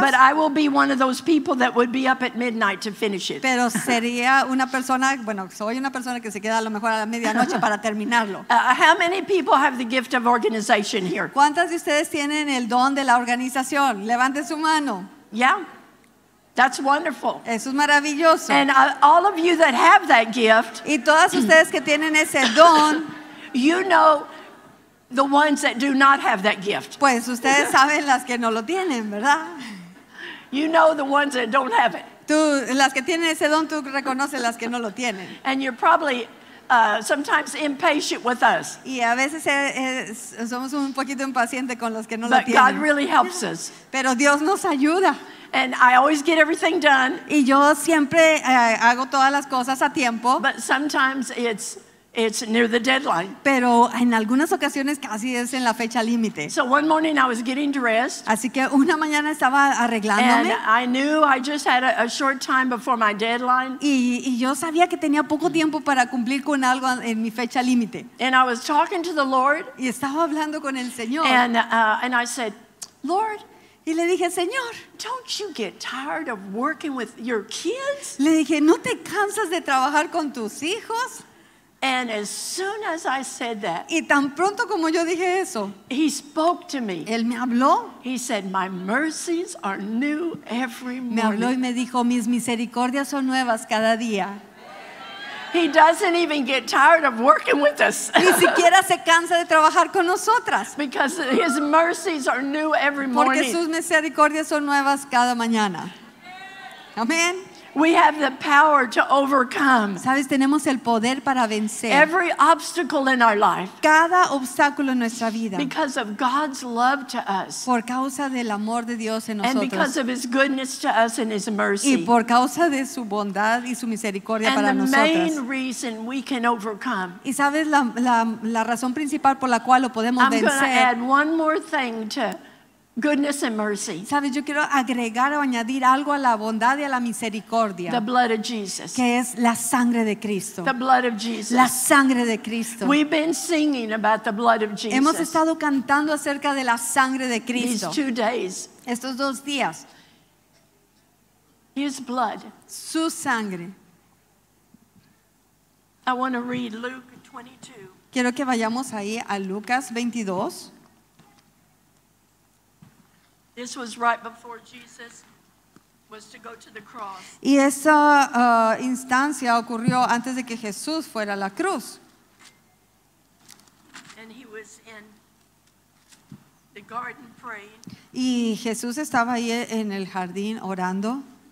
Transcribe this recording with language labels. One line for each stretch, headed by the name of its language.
English: But I will be one of those people that would be up at midnight to finish it.
Spanish: Pero sería una persona, bueno, soy una persona que se queda a lo mejor a la medianoche para terminarlo.
English: How many people have the gift of organization here?
Spanish: ¿Cuántas de ustedes tienen el don de la organización? Levante su mano.
English: Yeah. That's wonderful.
Spanish: Eso es maravilloso.
English: And all of you that have that gift,
Spanish: y todas ustedes que tienen ese don,
English: you know the ones that do not have that gift.
Spanish: Pues ustedes saben las que no lo tienen, ¿verdad?
English: You know the ones that don't have it.
Spanish: Tú, las que tienen ese don, tú reconoces las que no lo tienen.
English: And you're probably sometimes impatient with us.
Spanish: Y a veces somos un poquito impacientes con los que no lo tienen.
English: But God really helps us.
Spanish: Pero Dios nos ayuda.
English: And I always get everything done.
Spanish: Y yo siempre hago todas las cosas a tiempo.
English: But sometimes it's near the deadline.
Spanish: Pero en algunas ocasiones casi es en la fecha límite.
English: So one morning I was getting dressed.
Spanish: Así que una mañana estaba arreglándome.
English: And I knew I just had a short time before my deadline.
Spanish: Y yo sabía que tenía poco tiempo para cumplir con algo en mi fecha límite.
English: And I was talking to the Lord.
Spanish: Y estaba hablando con el Señor.
English: And I said, Lord.
Spanish: Y le dije, Señor,
English: don't you get tired of working with your kids?
Spanish: Le dije, ¿no te cansas de trabajar con tus hijos?
English: And as soon as I said that,
Spanish: y tan pronto como yo dije eso,
English: he spoke to me.
Spanish: Él me habló.
English: He said, my mercies are new every morning.
Spanish: Me habló y me dijo, mis misericordias son nuevas cada día.
English: He doesn't even get tired of working with us.
Spanish: Ni siquiera se cansa de trabajar con nosotras.
English: Because his mercies are new every morning.
Spanish: Porque sus misericordias son nuevas cada mañana. Amén.
English: We have the power to overcome.
Spanish: Sabes, tenemos el poder para vencer.
English: Every obstacle in our life.
Spanish: Cada obstáculo en nuestra vida.
English: Because of God's love to us.
Spanish: Por causa del amor de Dios en nosotros.
English: And because of his goodness to us and his mercy.
Spanish: Y por causa de su bondad y su misericordia para nosotros.
English: And the main reason we can overcome.
Spanish: Y sabes la razón principal por la cual lo podemos vencer.
English: I'm going to add one more thing to goodness and mercy.
Spanish: Sabes, yo quiero agregar o añadir algo a la bondad y a la misericordia.
English: The blood of Jesus.
Spanish: Que es la sangre de Cristo.
English: The blood of Jesus.
Spanish: La sangre de Cristo.
English: We've been singing about the blood of Jesus.
Spanish: Hemos estado cantando acerca de la sangre de Cristo.
English: These 2 days.
Spanish: Estos 2 días.
English: His blood.
Spanish: Su sangre.
English: I want to read Luke 22.
Spanish: Quiero que vayamos ahí a Lucas 22.
English: This was right before Jesus was to go to the cross.
Spanish: Y esa instancia ocurrió antes de que Jesús fuera a la cruz.
English: And he was in the garden praying.
Spanish: Y Jesús estaba ahí en el jardín orando.